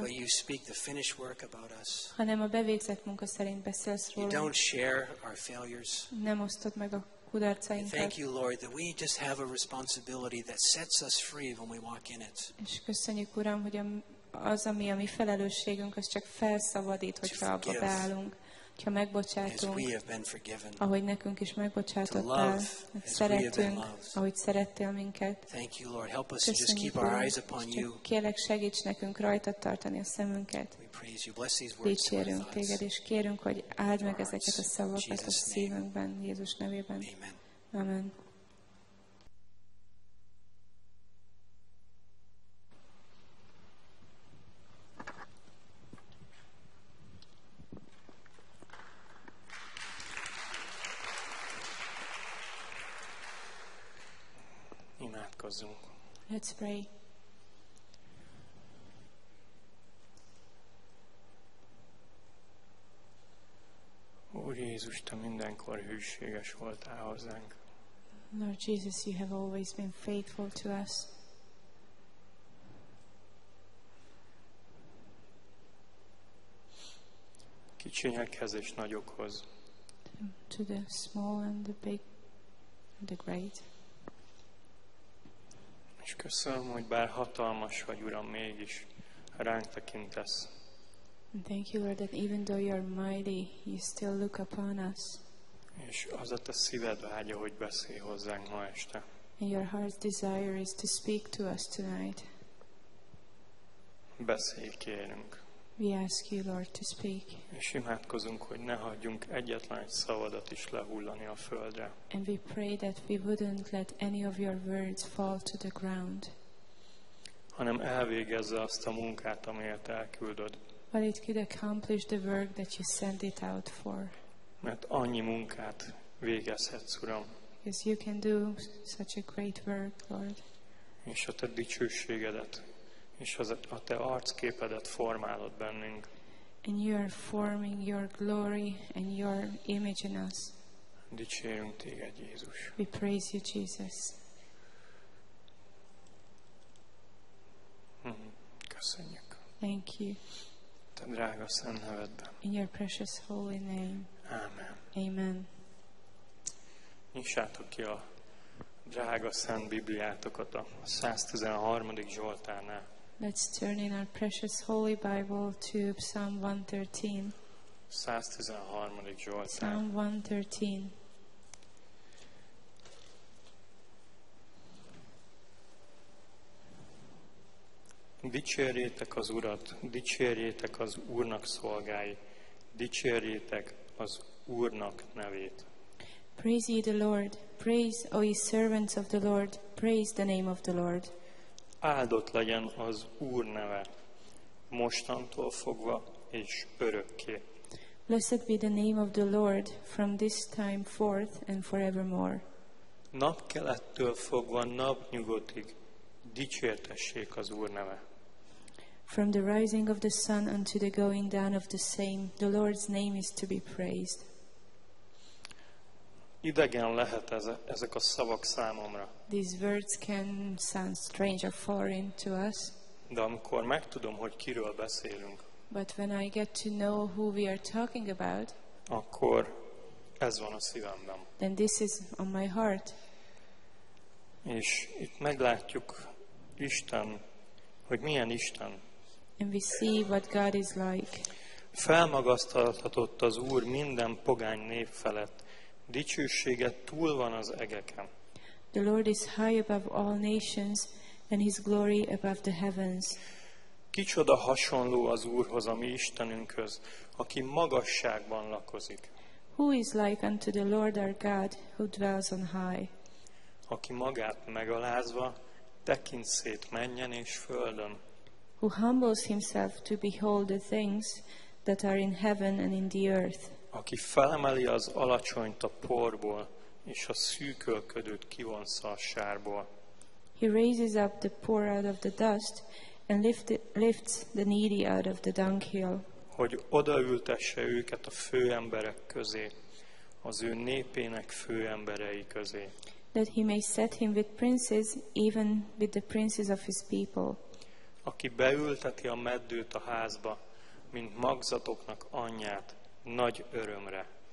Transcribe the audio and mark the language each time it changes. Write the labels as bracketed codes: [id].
[en] But you speak the finished work about us. [hu] Hanem a bevégzett munka szerint beszélsz rólunk. [en] You don't share our failures. [hu] Nem osztod meg a kudarcainkat. [en] Thank you, Lord, that we just have a responsibility that sets us free when we walk in it. [hu] És köszönjük, Uram, hogy az, ami a mi felelősségünk, az csak felszabadít, hogyha abba beállunk. Ha megbocsátunk, ahogy nekünk is megbocsátottál, szeretünk, ahogy szerettél minket. Köszönjük, Uram, kérlek, segíts nekünk rajtad tartani a szemünket. Dicsérünk téged, és kérünk, hogy áld meg ezeket a szavakat a szívünkben, Jézus nevében. Amen. [en] Let's pray. [hu] Úr Jézus, te mindenkor hűséges voltál hozzánk. [en] Lord Jesus, you have always been faithful to us. [hu] Kicsinyekhez és nagyokhoz. [en] To the small and the big, the great. [hu] És köszönöm, hogy bár hatalmas vagy, Uram, mégis ránk tekintesz. [en] Thank you, Lord, that even though you are mighty, you still look upon us. [hu] És az a te szíved vágya, hogy beszélj hozzánk ma este. [en] And your heart's desire is to speak to us tonight. [hu] Beszélj, kérünk. [en] We ask you, Lord, to speak. [hu] És imádkozunk, hogy ne hagyjunk egyetlen szavadat is lehullani a földre. [en] And we pray that we wouldn't let any of your words fall to the ground. [hu] Hanem elvégezze azt a munkát, amelyet elküldöd. [en] But it could accomplish the work that you send it out for. [hu] Mert annyi munkát végezhetsz, Uram. [en] Because you can do such a great work, Lord. [hu] És a te dicsőségedet. És az a te arcképedet formálod bennünk. [en] And you are forming your glory and your image in us. [hu] Dicsérünk téged, Jézus. [en] We praise you, Jesus. [hu] Köszönjük. [en] Thank you. [hu] Te drága szent nevedben. [en] In your precious holy name. Amen. Amen. [hu] Nyissátok ki a drága szent Bibliátokat a 113. Zsoltárnál. [en] Let's turn in our precious holy Bible to Psalm 113. [hu] 113. Zsoltár. [en] Psalm 113. [hu] Dicsérjétek az Urat, dicsérjétek az Úrnak szolgái, dicsérjétek az Úrnak nevét. [en] Praise ye the Lord, praise O ye servants of the Lord, praise the name of the Lord. [hu] Áldott legyen az Úr neve, mostantól fogva és örökké. [en] Blessed be the name of the Lord from this time forth and forevermore. [hu] Napkelettől fogva napnyugatig dicsértessék az Úr neve. [en] From the rising of the sun unto the going down of the same, the Lord's name is to be praised. [hu] Idegen lehet ezek a szavak számomra. [en] These words can sound strange or foreign to us. [hu] De amikor megtudom, hogy kiről beszélünk. [en] But when I get to know who we are talking about. [hu] Akkor ez van a szívemben. [en] Then this is on my heart. [hu] És itt meglátjuk Isten, hogy milyen Isten. [en] And we see what God is like. [hu] Felmagasztalhatott az Úr minden pogány nép felett. Dicsősége túl van az egeken. [en] The Lord is high above all nations, and His glory above the heavens. [hu] Kicsoda hasonló az Úrhoz, a mi Istenünkhöz, aki magasságban lakozik. [en] Who is like unto the Lord our God, who dwells on high? [hu] Aki magát megalázva, tekint szét mennyen és földön. [en] Who humbles himself to behold the things that are in heaven and in the earth. [hu] Aki felemeli az alacsonyt a porból, és a szűkölködőt kivonsza a sárból. [en] He raises up the poor out of the dust and lifts the needy out of the dunghill. [hu] Hogy odaültesse őket a fő emberek közé, az ő népének fő emberei közé. [en] That he may set him with princes, even with the princes of his people. [hu] Aki beülteti a meddőt a házba, mint magzatoknak anyját, nagy örömre.